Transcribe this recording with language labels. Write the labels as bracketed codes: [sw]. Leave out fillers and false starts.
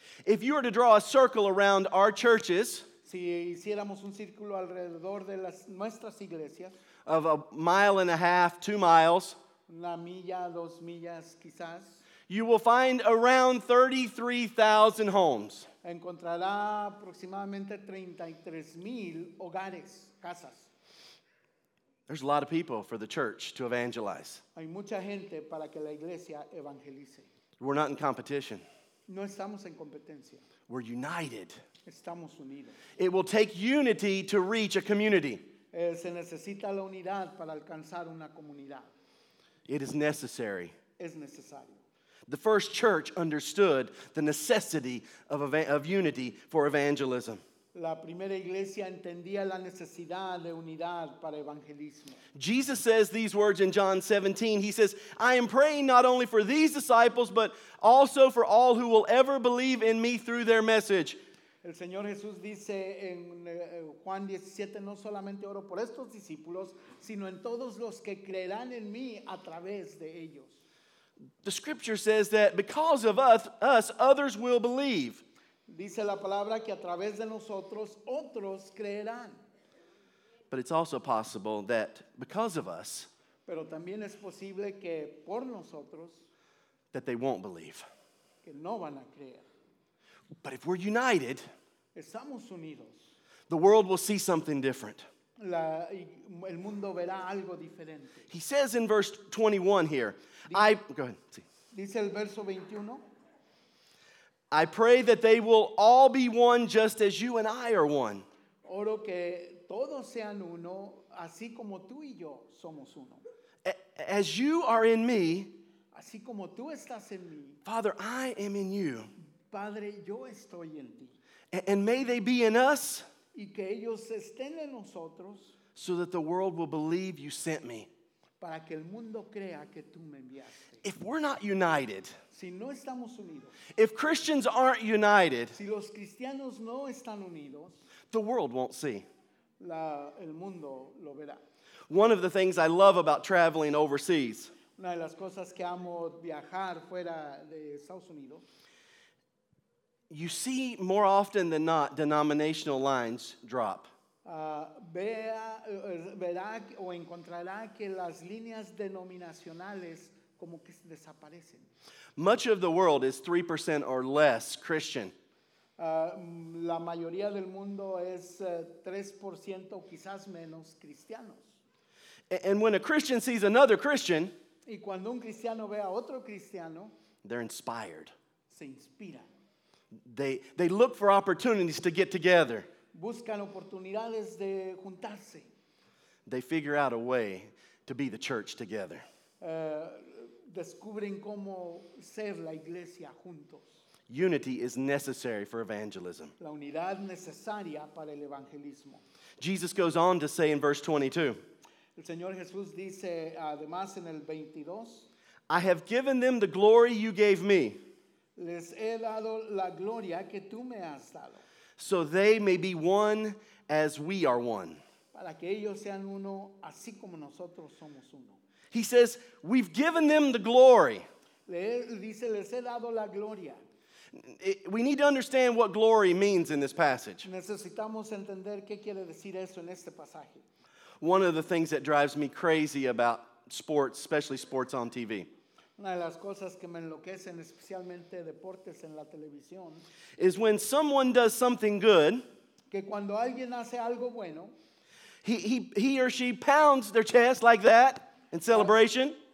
[en] If you were to draw a circle around our churches, [es] si hiciéramos un círculo alrededor de las nuestras iglesias, [en] of a mile and a half, 2 miles, [es] una milla, 2 millas, quizás, [en] you will find around 33,000 homes. [es] Encontrará aproximadamente 33,000 hogares, casas. [en] There's a lot of people for the church to evangelize. [es] Hay mucha gente para que la iglesia evangelice. [en] We're not in competition. [es] No estamos en competencia. [en] We're united. [es] Estamos unidos. [en] It will take unity to reach a community. [es] Se necesita la unidad para alcanzar una comunidad. [en] It is necessary. [es] Es necesario. [en] The first church understood the necessity of unity for evangelism. [es] La primera iglesia entendía la necesidad de unidad para evangelismo. [en] Jesus says these words in John 17. He says, I am praying not only for these disciples, but also for all who will ever believe in me through their message. [es] El Señor Jesús dice en Juan 17, no solamente oro por estos discípulos, sino en todos los que creerán en mí a través de ellos. [en] The scripture says that because of us, others will believe. [es] Dice la palabra que a través de nosotros, otros creerán. [en] But it's also possible that because of us, [es] pero también es posible que por nosotros, [en] that they won't believe. [es] Que no van a creer. [en] But if we're united, [es] estamos unidos, [en] the world will see something different. [es] El mundo verá algo diferente. [en] He says in verse 21 here, [es] Dice el verso 21, [en] I pray that they will all be one just as you and I are one. [es] Oro que todos sean uno, así como tú y yo somos uno. [en] As you are in me, [es] así como tú estás en mí, [en] Father, I am in you. [es] Padre, yo estoy en ti. [en] And may they be in us, [es] y que ellos estén en nosotros, [en] so that the world will believe you sent me. [es] Para que el mundo crea que tú me enviaste. [en] If we're not united, [es] si no estamos unidos, [en] if Christians aren't united, [es] si los cristianos no están unidos, [en] the world won't see. [es] El mundo lo verá. [en] One of the things I love about traveling overseas, [es] una de las cosas que amo viajar fuera de Estados Unidos, [en] you see more often than not denominational lines drop. [es] Verá o encontrará que las líneas denominacionales como que desaparecen. [en] Much of the world is 3% or less Christian. [es] La mayoría del mundo es 3% quizás menos cristianos. [en] And when a Christian sees another Christian, [es] y cuando un cristiano ve a otro cristiano, [en] they're inspired. [es] Se inspiran. [en] They look for opportunities to get together. [es] Buscan oportunidades de juntarse. [en] They figure out a way to be the church together. [es] Descubren cómo ser la iglesia juntos. [en] Unity is necessary for evangelism. [es] La unidad necesaria para el evangelismo. [en] Jesus goes on to say in verse 22. [es] El Señor Jesús dice además en el 22. [en] I have given them the glory you gave me. [es] Les he dado la gloria que tú me has dado. [en] So they may be one as we are one. [es] Para que ellos sean uno, así como nosotros somos uno. [en] He says, we've given them the glory. [es] Dice, les he dado la gloria. [en] We need to understand what glory means in this passage. [es] Necesitamos entender qué quiere decir eso en este pasaje. [en] One of the things that drives me crazy about sports, especially sports on TV, [es] una de las cosas que me enloquecen, especialmente deportes en la televisión, [en] is when someone does something good, [es] que cuando alguien hace algo bueno, [en] he or she pounds their chest like that in celebration,